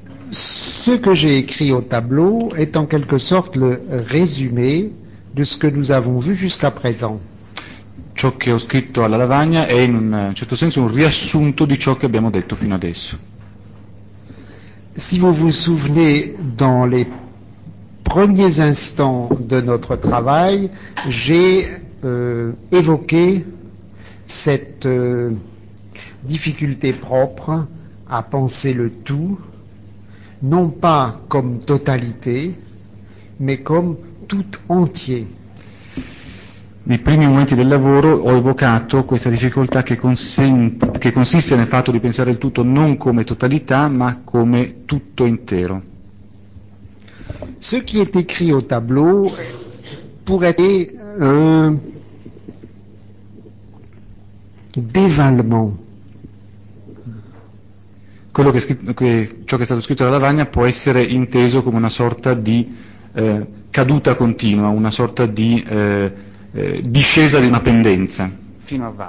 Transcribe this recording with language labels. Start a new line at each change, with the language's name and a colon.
French: Ce que j'ai écrit au tableau est en quelque sorte le résumé de ce que nous avons vu jusqu'à présent.
Italian: Ciò che ho scritto alla lavagna è in un certo senso un riassunto di ciò che abbiamo detto fino adesso.
French: Si vous vous souvenez, dans les premiers instants de notre travail, j'ai évoqué cette difficulté propre à penser le tout, non pas comme totalité, mais comme tout entier.
Italian: Nei primi momenti del lavoro ho evocato questa difficoltà che consiste nel fatto di pensare il tutto non come totalità, ma come tutto intero.
French: Ce qui est écrit au tableau pourrait être un dévalement.
Italian: Ciò che è stato scritto alla lavagna può essere inteso come una sorta di caduta continua, una sorta di discesa di una pendenza fino